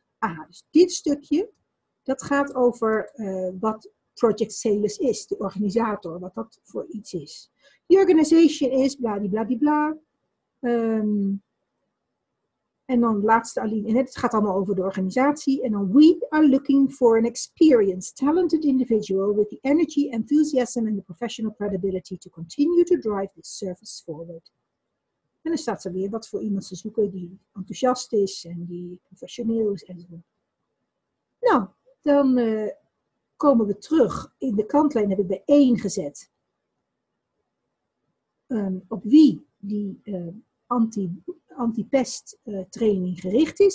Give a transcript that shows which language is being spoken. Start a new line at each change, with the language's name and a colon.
Dutch: Aha, dus dit stukje, dat gaat over wat Project Sales is, de organisator, wat dat voor iets is.
English: The organization is bladibladibla.
Dutch: En dan de laatste alinea. En het gaat allemaal over de organisatie. En dan
English: we are looking for an experienced, talented individual with the energy, enthusiasm and the professional credibility to continue to drive this service forward.
Dutch: En dan staat er weer wat voor iemand ze zoeken die enthousiast is en die professioneel is en zo. Nou, dan komen we terug. In de kantlijn heb ik bij 1 gezet. Op wie die anti-pest training gericht is.